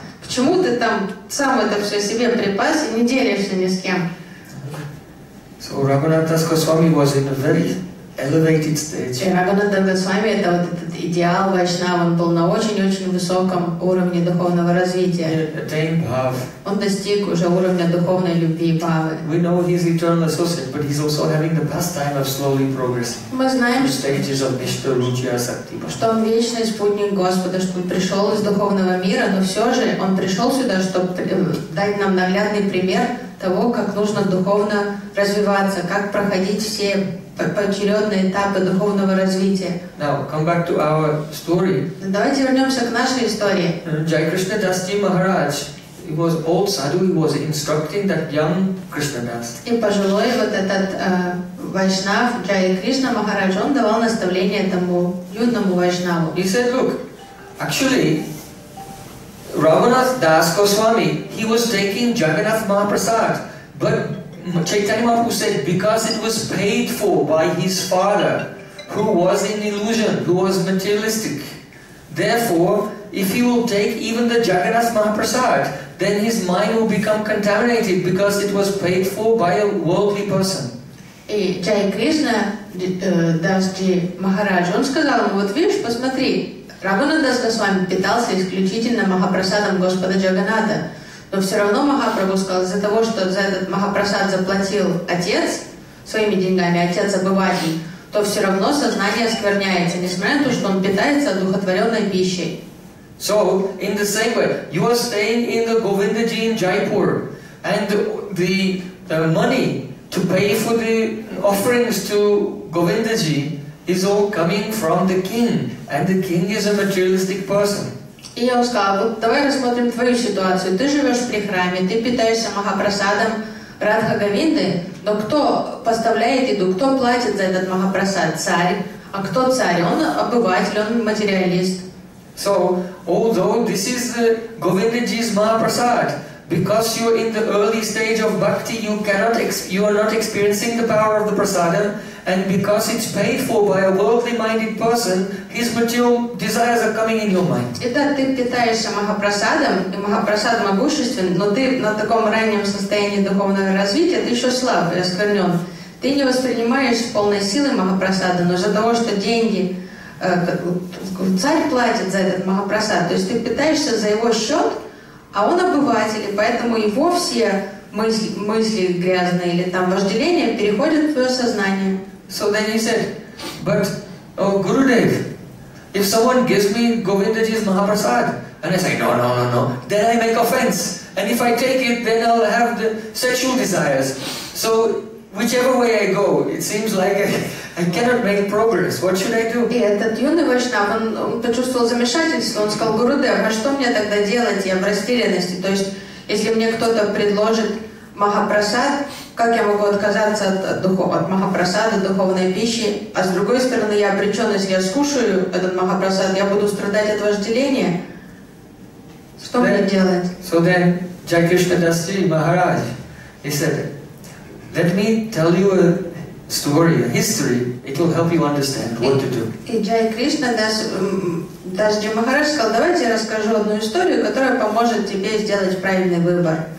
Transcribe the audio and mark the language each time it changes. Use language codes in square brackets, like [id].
[ru] Почему ты там сам это все себе припас и не делишься ни с кем? [en] So Рагунат Дас Госвами was in a very elevated stage. [ru] Рагунат Дас Госвами это вот этот идеал вайшнава, он был на очень-очень высоком уровне духовного развития. [en] Attained bhav. [ru] Он достиг уже уровня духовной любви бхавы. [en] We know he's eternal associate, but he's also having the pastime of slowly progressing. [ru] Мы знаем, [en] stages of Nishtha, Rucha, Sakti. [ru] Что он вечный спутник Господа, что он пришел из духовного мира, но все же он пришел сюда, чтобы дать нам наглядный пример того, как нужно духовно развиваться, как проходить все поочередно этапы духовного развития. [en] Now, come back to our story. [ru] Давайте вернемся к нашей истории. [en] Джай Кришна Дасти Махарадж. He was old sadhu. He was instructing that young Krishna Das. [ru] И пожилой вот этот вайшнав Джай Кришна Махарадж, он давал наставление этому юному вайшнаву. [en] He said, look, actually, Ravana's Das Goswami, he was taking Jagannath Mahaprasad, but Chaitanya Mahaprabhu said, because it was paid for by his father, who was in illusion, who was materialistic. Therefore, if he will take even the Jagannath Mahaprasad, then his mind will become contaminated because it was paid for by a worldly person. [ru] И Чай Кришна Дасджи Махарадж, он сказал ему, вот видишь, посмотри, Равана Даска с вами питался исключительно Махапрасадом Господа Джаганнатха. Но все равно Махапрабху сказал, из-за того, что за этот Махапрасад заплатил отец своими деньгами, отец-обыватель, то все равно сознание оскверняется, несмотря на то, что он питается одухотворенной пищей. [en] So, in the same way, you are staying in the Govindaji in Jaipur, and the money to pay for the offerings to Govindaji is all coming from the king, and the king is a materialistic person. [ru] И я сказал, вот давай рассмотрим твою ситуацию. Ты живешь при храме, ты питаешься Махапрасадом Радха Говинды, но кто поставляет еду, кто платит за этот Махапрасад? Царь. А кто царь? Он обыватель, он материалист. [en] So, although this is Govindaji's Mahaprasad, because you're in the early stage of bhakti, you are not experiencing the power of the prasadam, and because it's paid for by a worldly-minded person, his material desires are coming in your mind. [ru] Итак, ты питаешься Махапрасадом, и Махапрасад могуществен, но ты на таком раннем состоянии духовного развития, ты еще слаб и осквернен. Ты не воспринимаешь полной силы Махапрасада, но из-за того, что деньги царь платит за этот Махапрасад, то есть ты питаешься за его счет, а он обыватель, и поэтому его все мысли грязные или там вожделения переходят в твое сознание. [en] So then he said, but oh, Gurudev, if someone gives me Govindaji's Mahaprasad, and I say no, then I make offense, and if I take it, then I'll have the sexual desires. So whichever way I go, it seems like I cannot make progress. What should I do? [ru] И этот юный вайшнав, он почувствовал замешательство. Он сказал, Гурудев, а что мне тогда делать? Я в растерянности. То есть, если мне кто-то предложит Махапрасад, как я могу отказаться от Махапрасада, духовной пищи? А с другой стороны, я обречен, если я скушаю этот Махапрасад, я буду страдать от вожделения. Что мне делать? [en] So then, Jai Krishna Dasti Maharaj, he said, let me tell you a story, a history. It will help you understand what to do. [ru] И Джай Кришна Дасджи Махарадж сказал, давайте я расскажу одну историю, которая поможет тебе сделать правильный выбор.